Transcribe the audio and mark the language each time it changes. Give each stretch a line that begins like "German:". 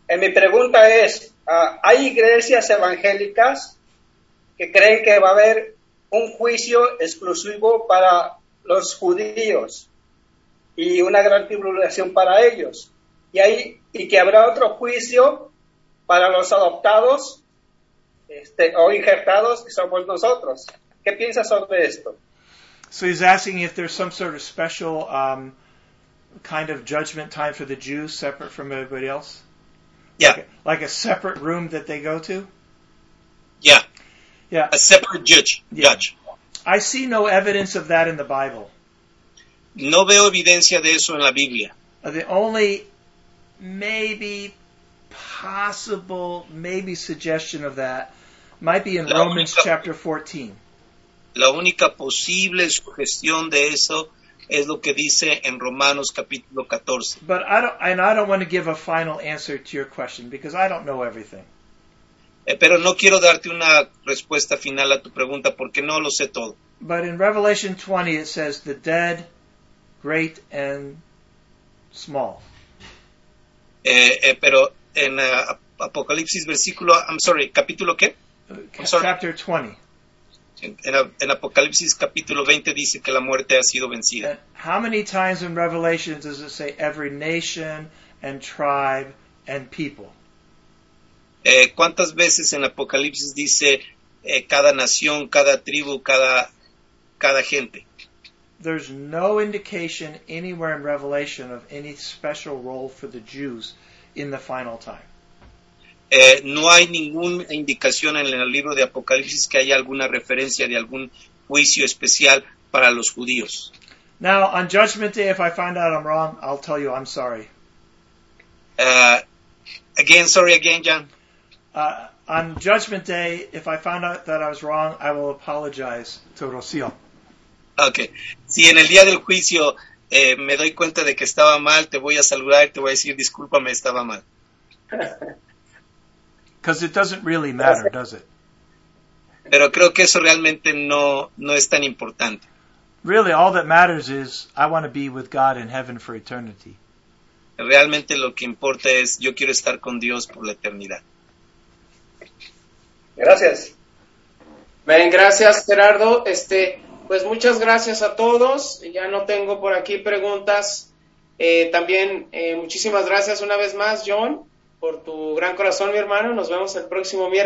Spanish: Mi pregunta es, ¿hay iglesias evangélicas que creen que va a haber un juicio exclusivo para los judíos y una gran tribulación para ellos? Y que habrá otro juicio para los adoptados o injertados, que somos nosotros. ¿Qué piensas sobre esto?
English: So he's asking if there's some sort of special kind of judgment time for the Jews separate from everybody else. Yeah. Like a separate room that they go to? Yeah. Yeah. A separate judge. Yeah. Judge. I see no evidence of that in the Bible.
Spanish: No veo evidencia de eso en la Biblia.
English: The only maybe possible maybe suggestion of that might be in Romans chapter 14.
Spanish: La única posible sugestión de eso es lo que dice en Romanos capítulo 14.
English: But I don't want to give a final answer to your question because I don't know everything.
Spanish: Pero no quiero darte una respuesta final a tu pregunta porque no lo sé todo.
English: But in Revelation 20 it says the dead, great and small.
Spanish: Pero en Apocalipsis versículo,
English: I'm sorry,
Spanish: capítulo qué?
English: Chapter 20.
Spanish: En Apocalipsis capítulo 20 dice que la muerte ha sido vencida.
English: How many times in Revelation does it say every nation and tribe and people?
Spanish: ¿Cuántas veces en Apocalipsis dice cada nación, cada tribu, cada gente?
English: There's no indication anywhere in Revelation of any special role for the Jews in the final time.
Spanish: No hay ninguna indicación en el libro de Apocalipsis que haya alguna referencia de algún juicio especial para los judíos.
English: Now, on Judgment Day, if I find out I'm wrong, I'll tell you I'm sorry. Again, sorry again, John. On Judgment Day, if I found out that I was wrong, I will apologize to Rocío. Okay.
Spanish: Si en el día del juicio me doy cuenta de que estaba mal, te voy a saludar y te voy a decir, discúlpame, estaba mal.
English: Because it doesn't really matter, does it?
Spanish: Pero creo que eso realmente no es tan importante.
English: Really, all that matters is I want to be with God in heaven for eternity.
Spanish: Realmente lo que importa es yo quiero estar con Dios por la eternidad. Gracias. Bien, gracias, Gerardo. Pues muchas gracias a todos. Ya no tengo por aquí preguntas. También muchísimas gracias una vez más, John, por tu gran corazón, mi hermano. Nos vemos el próximo miércoles.